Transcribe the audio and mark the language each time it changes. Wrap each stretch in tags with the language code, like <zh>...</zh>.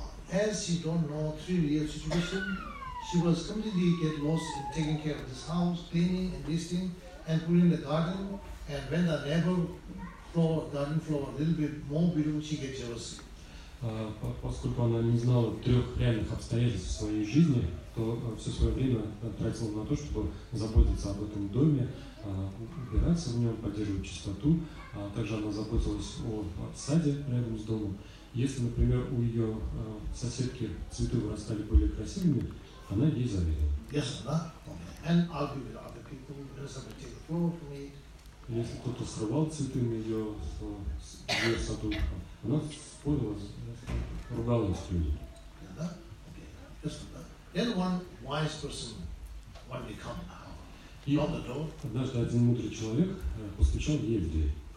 <en>As she don't know three real situation, she was completely get lost in taking care of this house, cleaning and this thing, and putting the garden, and when the neighbor floor, garden floor a little bit more beautiful, she gets jealous.</en> <ru>Поскольку она не знала трех реальных обстоятельств своей жизни, то все свое время тратила на то, чтобы заботиться об этом доме, убираться в нем, поддерживать чистоту. Также она заботилась о саде рядом с домом. Если, например, у ее соседки цветы вырастали более красивыми, она ей завидовала.</ru> <en>Yes, okay. And</en> <ru>если кто-то срывал цветы на ее, ее саду, она спорила, ругалась с людьми.</ru> <en>Yeah, okay. Yes, then one wise person, when they come now, knock the door.</en> <ru>Однажды один мудрый человек постучал ей в дверь.</ru>